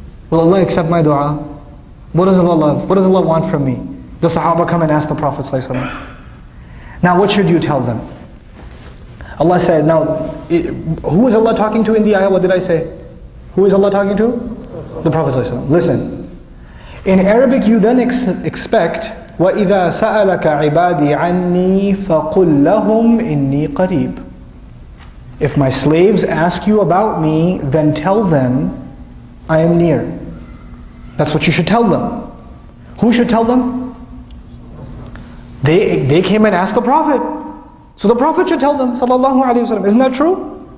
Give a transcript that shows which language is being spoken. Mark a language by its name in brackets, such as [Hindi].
[English] Will Allah accept my dua? What does Allah love? What does Allah want from me? The Sahaba come and ask the Prophet ﷺ. Now what should you tell them? Allah said, now, who is Allah talking to in the ayah? What did I say? Who is Allah talking to? The Prophet ﷺ. Listen. In Arabic you then expect, [Arabic] وَإِذَا سَأَلَكَ عِبَادِي عَنِّي فَقُلْ لَهُمْ إِنِّي قَرِيبٌ. [English] If my slaves ask you about me, then tell them, I am near. That's what you should tell them. Who should tell them? They came and asked the Prophet. So the Prophet should tell them, sallallahu alayhi wa sallam. Isn't that true?